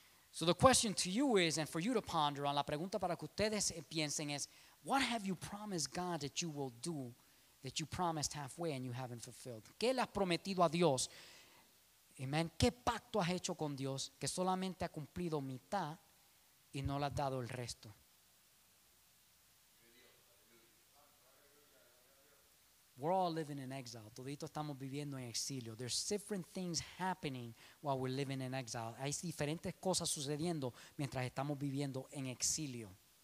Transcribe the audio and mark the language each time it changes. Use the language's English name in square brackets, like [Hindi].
[English] So the question to you is, and for you to ponder on, [Spanish] la pregunta para que ustedes piensen es, [English] what have you promised God that you will do that you promised halfway and you haven't fulfilled? [Spanish] ¿Qué le has prometido a Dios? Amen. ¿Qué pacto has hecho con Dios que solamente ha cumplido mitad y no le has dado el resto? [English] We're all living in exile. [Spanish] Todito estamos viviendo en exilio. [English] There's different things happening while we're living in exile. [Spanish] Hay diferentes cosas sucediendo mientras estamos viviendo en exilio.